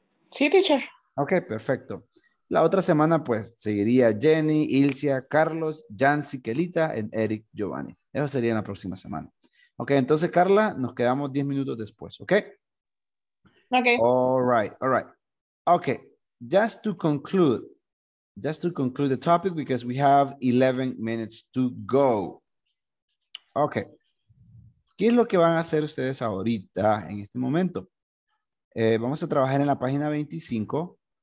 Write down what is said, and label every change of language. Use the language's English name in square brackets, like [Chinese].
[Spanish] Sí, teacher. Ok, perfecto. La otra semana, pues, seguiría Jenny, Ilcia, Carlos, Yancy, Kelita, y Eric Giovanni. Eso sería en la próxima semana. Ok, entonces, Carla, nos quedamos 10 minutos después, ¿ok? Ok. [English] All right. Ok, just to conclude the topic, because we have 11 minutes to go. [Spanish] Ok, ¿qué es lo que van a hacer ustedes ahorita, en este momento? Vamos a trabajar en la página 25.